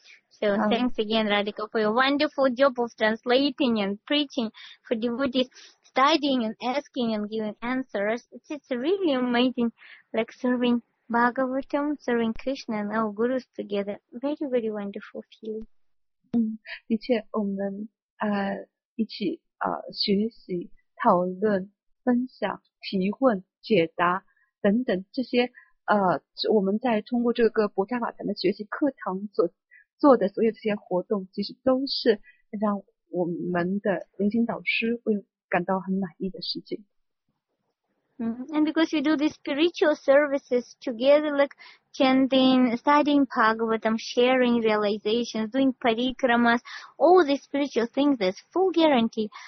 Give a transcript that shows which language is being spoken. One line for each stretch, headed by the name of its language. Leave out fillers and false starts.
English: So thanks again, Radhika, for your wonderful job of translating and preaching for devotees, studying and asking and giving answers. It's really amazing, like serving Bhagavatam, serving Krishna and our gurus together. Very, very wonderful feeling.
Chinese: 的确，我们一起学习、讨论、分享、提问、解答等等这些我们在通过这个博伽法坛的学习课堂所做的所有这些活动，其实都是让我们的灵性导师为感到很满意的事情。
English: And because we do these spiritual services together, like chanting, studying Bhagavatam, sharing realizations, doing parikramas, all these spiritual things, there's full guarantee.